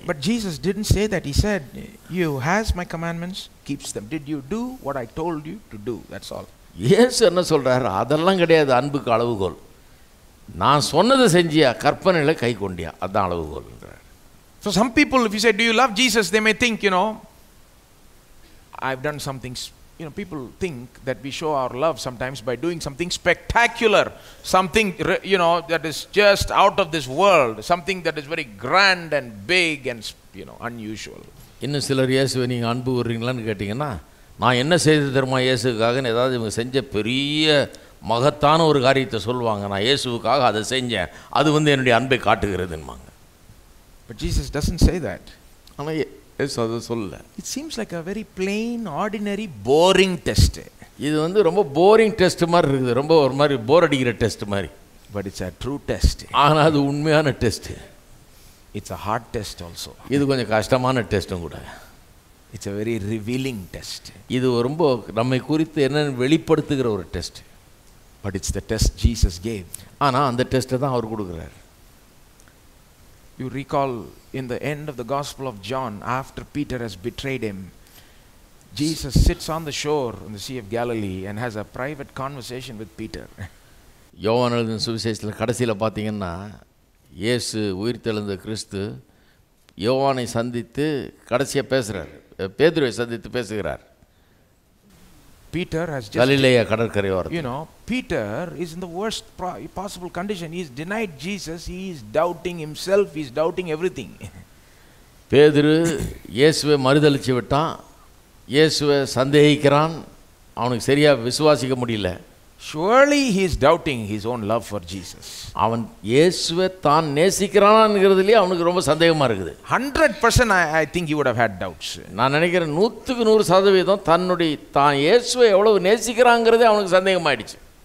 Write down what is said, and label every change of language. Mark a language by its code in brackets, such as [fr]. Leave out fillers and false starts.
[en] But Jesus didn't say that. He said, you has my commandments, keeps them. Did you do what I told you to do? That's all. [ta] இயேசு என்ன சொல்கிறார், அதெல்லாம் கிடையாது அன்புக்கு அளவுகோல், நான் சொன்னதை செஞ்சியா, கற்பனையில் கை கொண்டியா, அதுதான் அளவுகோல். [en] So some people, if you say, do you love Jesus, they may think, you know, I've done something, you know, people think that we show our love sometimes by doing something spectacular, something, you know, that is just out of this world, something that is very grand and big and, you know, unusual. [ta] இன்னும் சிலர் இயேசுவை நீங்கள் அன்பு கூறுறீங்களான்னு கேட்டிங்கன்னா, நான் என்ன செய்து தருமா இயேசுக்காகன்னு ஏதாவது இவங்க செஞ்ச பெரிய மகத்தான ஒரு காரியத்தை சொல்வாங்க, நான் இயேசுவுக்காக அதை செஞ்சேன், அது வந்து என்னுடைய அன்பை காட்டுகிறதுன்னு. [en] But Jesus doesn't say that. [ta] ஆனால் இயேசு அதை சொல்ல. [en] It seems like a very plain, ordinary, boring test. [ta] இது வந்து ரொம்ப போரிங் டெஸ்ட் மாதிரி இருக்குது, ரொம்ப ஒரு மாதிரி போர் அடிக்கிற டெஸ்ட் மாதிரி. [en] But it's a true test. [ta] ஆனால் அது உண்மையான test. [en] It's a hard test also. [ta] இது கொஞ்சம் கஷ்டமான டெஸ்ட்டும் கூட. [en] It's a very revealing test. [ta] இது ரொம்ப நம்மை குறித்து என்னென்னு வெளிப்படுத்துகிற ஒரு test. [en] But it's the test Jesus gave. [ta] ஆனால் அந்த டெஸ்ட்டை தான் அவர் கொடுக்குறார். [en] You recall in the end of the Gospel of John, after Peter has betrayed him, Jesus sits on the shore in the Sea of Galilee and has a private conversation with Peter. [ta] யோவானின் சுவிசேஷத்தில் கடைசியில் பார்த்தீங்கன்னா இயேசு உயிர்த்தெழுந்த கிறிஸ்து யோவானை சந்தித்து கடைசியாக பேசுகிறார், பேதுருவை சந்தித்து பேசுகிறார். [en] Peter has Peter is in the worst possible condition. He has denied Jesus. He is doubting himself. He is doubting everything. [ta] பேதுரு இயேசுவை மறுதளிச்சு விட்டான், இயேசுவை சந்தேகிக்கிறான், அவனுக்கு சரியாக விசுவாசிக்க முடியல. [en] Surely he is doubting his own love for Jesus. [ta] அவன் இயேசுவை தான் நேசிக்கிறானாங்கிறதுலயே அவனுக்கு ரொம்ப சந்தேகமா இருக்குது. [en] 100% I think he would have had doubts. [ta] நான் நினைக்கிறேன் 100% தன்னுடைய தான் இயேசுவை எவ்வளவு நேசிக்கிறாங்கிறதே அவனுக்கு சந்தேகமாயிடுச்சு.